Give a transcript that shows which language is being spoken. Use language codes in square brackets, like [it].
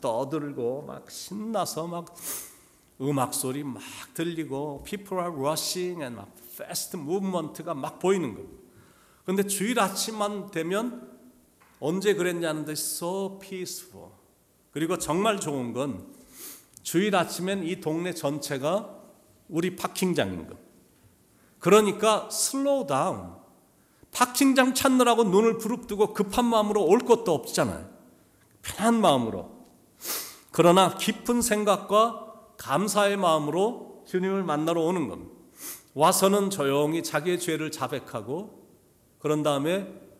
[ko] 떠들고 막 신나서 막 음악 소리 막 들리고 [en] people are rushing and [ko] 막 [en] fast movement [ko] 가 막 보이는 겁니다. 그런데 주일 아침만 되면 언제 그랬냐는 듯이 [en] so peaceful. [ko] 그리고 정말 좋은 건 주일 아침엔 이 동네 전체가 우리 파킹장인 것. 그러니까 [en] slow down. [ko] 파킹장 찾느라고 눈을 부릅뜨고 급한 마음으로 올 것도 없잖아요. 편한 마음으로. 그러나 깊은 생각과 감사의 마음으로 주님을 만나러 오는 겁니다. 와서는 조용히 자기의 죄를 자백하고 그런 다음에